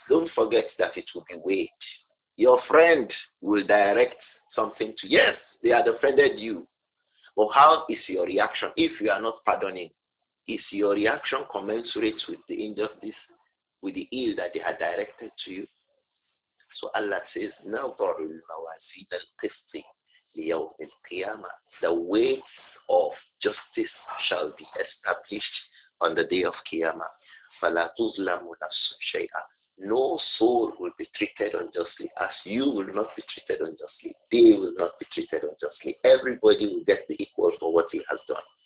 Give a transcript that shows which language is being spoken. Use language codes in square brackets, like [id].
[en] Don't forget that it will be weighed. Your friend will direct something to you. Yes, they had offended you. But how is your reaction if you are not pardoning? Is your reaction commensurate with the injustice, with the ill that they had directed to you? So Allah says, [ar] نَظَرُ الْمَوَازِينَ الْقِسْطِ لِيَوْمِ الْقِيَامَةِ. [en] The weights of justice shall be established on the day of Qiyamah. [ar] فَلَا تُظْلَمُ نَفْسٌ شَيْئًا. [en] No soul will be treated unjustly, as you will not be treated unjustly. They will not be treated unjustly. Everybody will get the equal for what he has done.